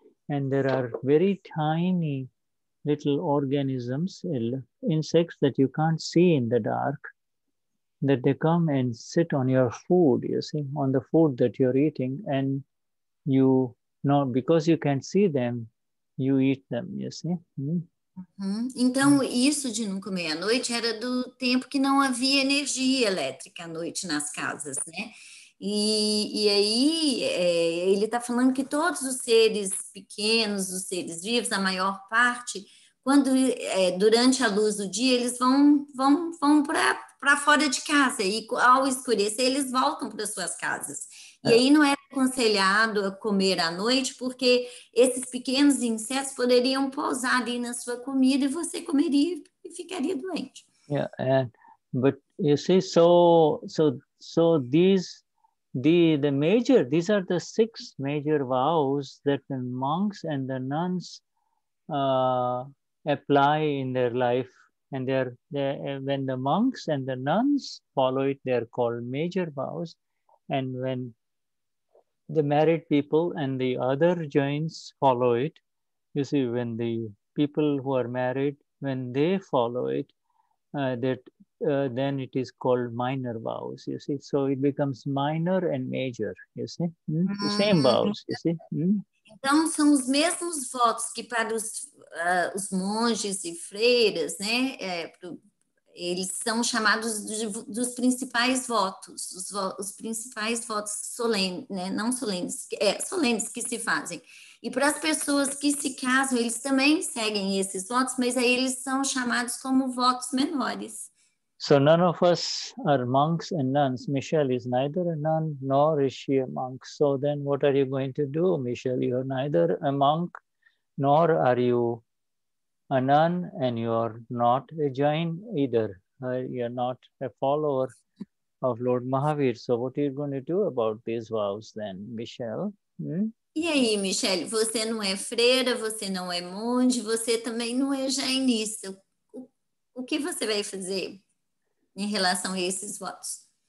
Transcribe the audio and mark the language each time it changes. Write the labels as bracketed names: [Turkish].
[English] And there are very tiny little organisms, insects that you can't see in the dark, that they come and sit on your food, you see, on the food that you're eating. And you know, because you can't see them, you eat them, you see? [Portuguese] Então, isso de não comer à noite era do tempo que não havia energia elétrica à noite nas casas, né? E aí, ele está falando que todos os seres pequenos, os seres vivos, a maior parte, quando durante a luz do dia, eles vão para fora de casa. E ao escurecer, eles voltam para suas casas. E aí não é aconselhado a comer à noite, porque esses pequenos insetos poderiam pousar ali na sua comida e você comeria e ficaria doente. [English] Yeah, but you see, so the major, these are the six major vows that the monks and the nuns apply in their life. And when the monks and the nuns follow it, they are called major vows. And when the married people and the other jains follow it, you see, when the people who are married, when they follow it, then it is called minor vows, you see. So it becomes minor and major, you see. The same vows, you see. [Portuguese] Então, são os mesmos votos que para os monges e freiras, né? Eles são chamados dos principais votos, os principais votos solenes, né? Não solenes, solenes que se fazem. E para as pessoas que se casam, eles também seguem esses votos, mas aí eles são chamados como votos menores. [English] So none of us are monks and nuns. Michelle is neither a nun nor is she a monk. So then what are you going to do, Michelle? You're neither a monk nor are you a nun, and you're not a Jain either. You're not a follower of Lord Mahavir. So what are you going to do about these vows then, Michelle? [Portuguese] E aí, Michelle, você não é freira, você não é monge, você também não é jainista. O que você vai fazer em relação a esses votos?